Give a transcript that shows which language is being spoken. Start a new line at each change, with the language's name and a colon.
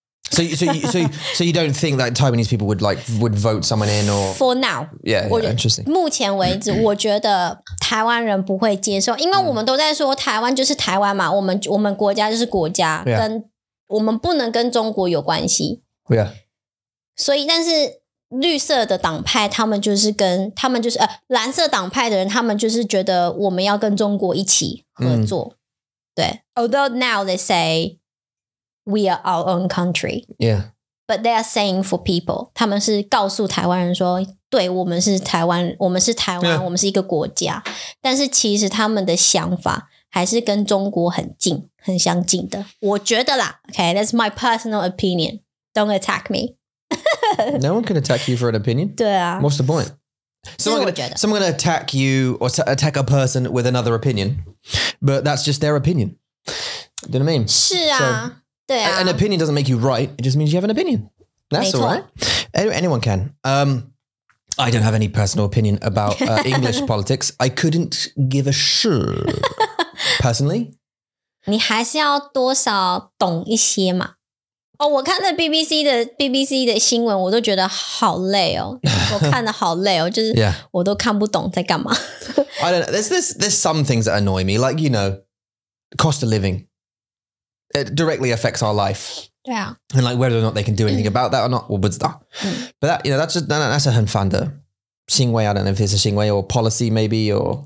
English: So you don't think that Taiwanese people would vote someone in or for now? Yeah, interesting.
Chinese: 目前为止，我觉得台湾人不会接受，因为我们都在说台湾就是台湾嘛，我们国家就是国家，
English: yeah.
Chinese: 跟我们不能跟中国有关系。
English: Yeah.
Chinese: 所以，但是绿色的党派他们就是跟他们就是蓝色党派的人，他们就是觉得我们要跟中国一起合作。
English: 对 ，although now they say. We are our own country. Yeah. But they are saying for people.
Chinese: 他们是告诉台湾人说对我们是台湾我们是台湾、yeah. 我们是一个国家。但是其实他们的想法还是跟中国很近很相近的。我觉得啦
English: Okay, that's my personal opinion. Don't attack me. No one can attack you for an opinion.
Chinese: 对啊。
English: What's the point? Someone gonna attack you or attack a person with another opinion. But that's just their opinion. Do you know what I mean?
Chinese: 是啊。So,
English: An opinion doesn't make you right. It just means you have an opinion. That's all right. Anyone can. I don't have any personal opinion about English politics. I couldn't give a shit, personally.
Chinese: 你还是要多少懂一些嘛。哦、oh, ，我看了 BBC 的新闻，我都觉得好累哦。我看的好累哦，就是我都看不懂在干嘛。
English: I don't know. There's some things that annoy me, like you know, cost of living. It directly affects our life. Yeah. And like whether or not they can do anything about that or not,
Chinese: 我不知道。
English: But that, you know, that's a
Chinese: 很烦的行为。
English: I don't know if it's a 行为 or policy maybe or